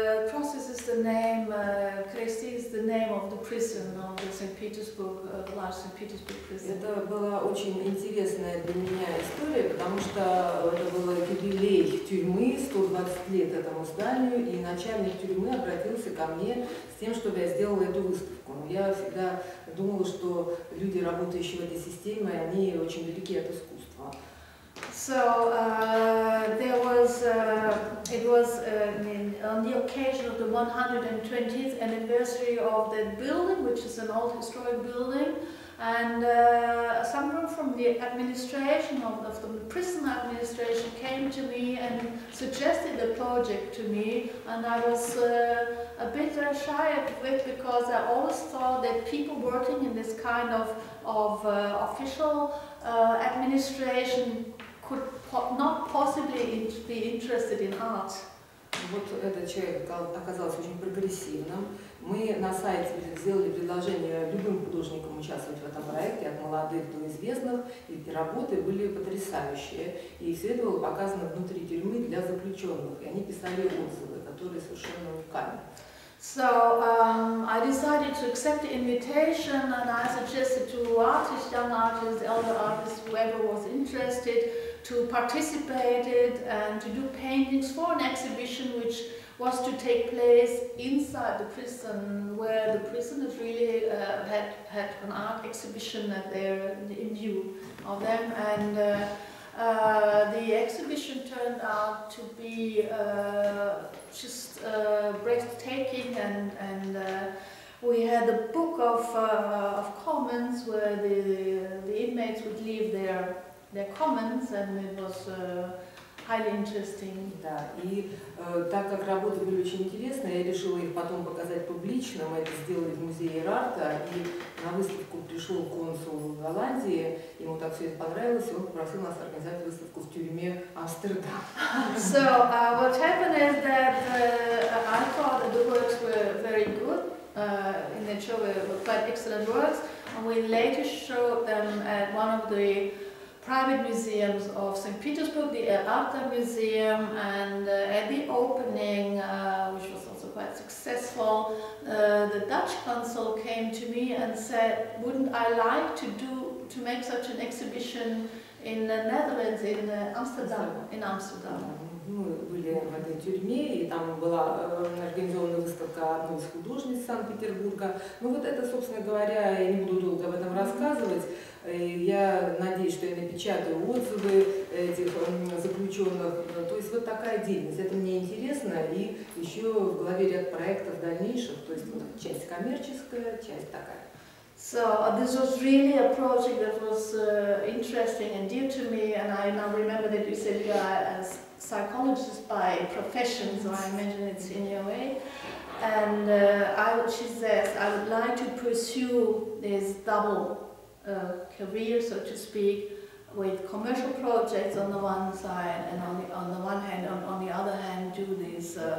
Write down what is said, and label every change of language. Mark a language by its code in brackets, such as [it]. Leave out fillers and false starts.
[en] Crosses is the name, Кресты is the name of the prison of the St. Petersburg, the large St. Petersburg prison. [ru] Это была очень интересная для меня история, потому что это был юбилей тюрьмы, 120 лет этому зданию, и начальник тюрьмы обратился ко мне с тем, чтобы я сделала эту выставку. Но я всегда думала, что люди, работающие в этой системе, они очень далеки от искусства. [en] So on the occasion of the 120th anniversary of that building, which is an old historic building, And someone from the administration of the prison administration came to me and suggested the project to me, and I was a bit shy of it because I always thought that people working in this kind of official administration could not possibly be interested in art. [ru] Вот этот человек оказался очень прогрессивным. Мы на сайте сделали предложение любым художникам участвовать в этом проекте, от молодых до известных, и работы были потрясающие. И все это было показано внутри тюрьмы для заключенных, и они писали отзывы, которые совершенно уникальны. [en] So I decided to accept the invitation, and I suggested to artists, young artists, elder artists, whoever was interested, to participate it and to do paintings for an exhibition which was to take place inside the prison, where the prisoners really had an art exhibition that they're in view of them. And the exhibition turned out to be just breathtaking, and we had a book of comments where the inmates would leave their comments, and it was highly interesting. [ru] Да, и так как работы были очень интересные, я решила их потом показать публично. Мы это сделали в музее Эрарта, и на выставку пришел консул Голландии. Ему так все это понравилось, и он попросил нас организовать выставку в тюрьме Амстердам. [en] So what happened is that I thought that the works were very good. In the show, they were quite excellent works, and we later showed them at one of the private museums of St. Petersburg, the Erarter Museum, and at the opening, which was also quite successful, the Dutch consul came to me and said, wouldn't I like to make such an exhibition in the Netherlands, in Amsterdam, in Amsterdam. [ru] Мы были в этой тюрьме, и там была организована выставка одной из художниц Санкт-Петербурга. Ну вот это, собственно говоря, я не буду долго об этом рассказывать. Я надеюсь, что я напечатаю отзывы этих заключенных. То есть вот такая деятельность. Это мне интересно. И еще в голове ряд проектов дальнейших. То есть вот часть коммерческая, часть такая. [en] So this was really a project that was interesting and dear to me, and I now remember that you said you are a psychologist by profession, so I imagine it's in your way. And she says, I would like to pursue this double career, so to speak, with commercial projects on the one side, and on the other hand, do this.